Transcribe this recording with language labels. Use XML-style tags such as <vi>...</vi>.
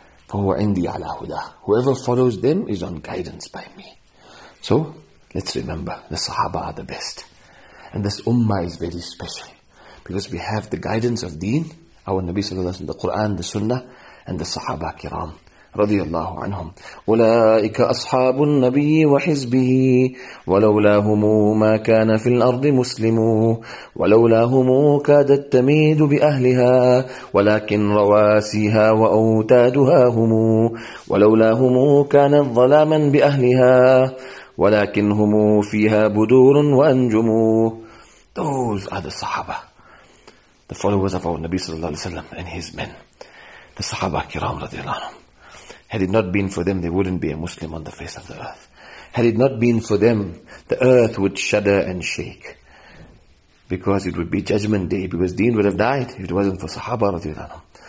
<ar>فَهُوَ عِنْدِي عَلَى هُدَى.</ar> <en>Whoever follows them is on guidance by me. So, let's remember, the Sahaba are the best. And this Ummah is very special, because we have the guidance of Deen, our Nabi sallallahu alayhi wa sallam, the Quran, the Sunnah, and the Sahaba kiram.</en> <ar>رضي الله عنهم أولئك أصحاب النبي وحزبه ولولاهم ما كان في الأرض مسلم ولولاهم كادت تميد بأهلها ولكن رواسيها وأوتادها هم ولولاهم كانت ظلاما بأهلها ولكن هم فيها بدور وأنجم.</ar> <en>Those are the Sahaba, the followers of our Nabi صلى الله عليه وسلم and his men, the Sahaba kiram رضي الله عنهم. Had it not been for them, there wouldn't be a Muslim on the face of the earth. Had it not been for them, the earth would shudder and shake, because it would be judgment day, because Deen would have died if it wasn't for Sahaba radiallahu anhum.</en>